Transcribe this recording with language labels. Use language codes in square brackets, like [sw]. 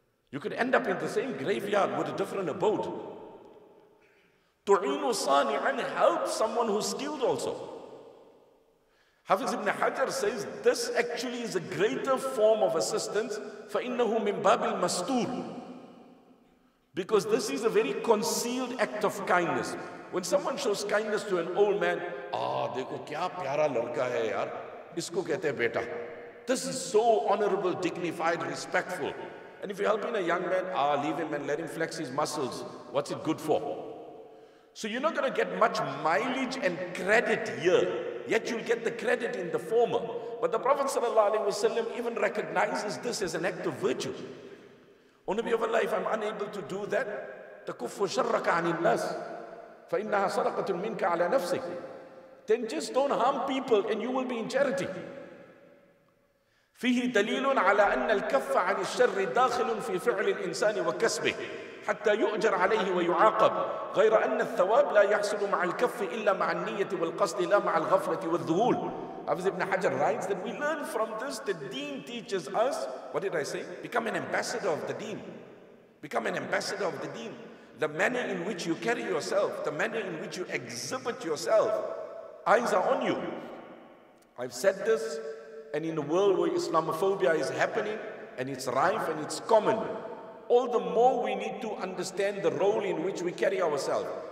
[en] You could end up in the same graveyard with a different abode. [ar] تُعِينُ صَانِعًا, [en] help someone who's skilled also. Hafiz ibn Hajar says, this actually is a greater form of assistance, [ar] فَإِنَّهُ مِنْ بَابِ الْمَسْتُورِ, [en] because this is a very concealed act of kindness. When someone shows kindness to an old man, [ur] دیکھو کیا پیارا لڑکا ہے یار, اس کو کہتے ہیں بیٹا. [en] This is so honorable, dignified, respectful. And if you're helping a young man, leave him and let him flex his muscles. What's it good for? So you're not going to get much mileage and credit here, yet you'll get the credit in the former. But the Prophet ﷺ even recognizes this as an act of virtue. O Nabi of Allah, if I'm unable to do that, [ar] تَكُفُّ شَرَّكَ عَنِ النَّاسِ فَإِنَّهَا صَدَقَةٌ مِنْكَ عَلَى نَفْسِكَ, [en] then just don't harm people and you will be in charity. [ar] فِيهِ دَلِيلٌ عَلَىٰ أَنَّ الْكَفَّ عَنِ الشَّرِّ دَاخِلٌ فِي فِعْلِ الْإِنسَانِ وَكَسْبِهِ حتى يؤجر عليه ويعاقب غير ان الثواب لا يحصل مع الكف الا مع النيه والقصد لا مع الغفله والذهول. [en] Hafiz ibn Hajar writes that we learn from this that deen teaches us, what did I say, become an ambassador of the deen, Become an ambassador of the deen. The manner in which you carry yourself, the manner in which you exhibit yourself, eyes are on you. I've said this, and in a world where Islamophobia is happening, and it's rife and it's common, all the more we need to understand the role in which we carry ourselves.